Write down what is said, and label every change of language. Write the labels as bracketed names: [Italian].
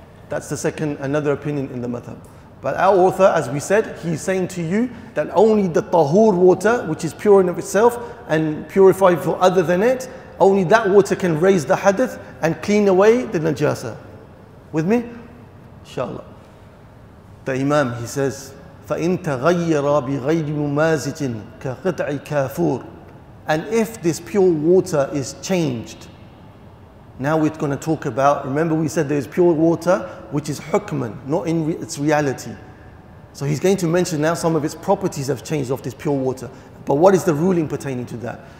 [English] That's the second, another opinion in the madhab. But our author, as we said, he's saying to you that only the tahur water, which is pure in of itself and purified for other than it, only that water can raise the hadith and clean away the najasa. With me? Inshallah. The Imam, he says, [Arabic] فَإِن تَغَيَّرَ بِغَيْرِ مُمَازِجٍ كَقِطْعِ كَافُورٍ. [English] And if this pure water is changed, now we're going to talk about, remember we said there is pure water which is hukman, not in its reality. So he's going to mention now some of its properties have changed of this pure water. But what is the ruling pertaining to that?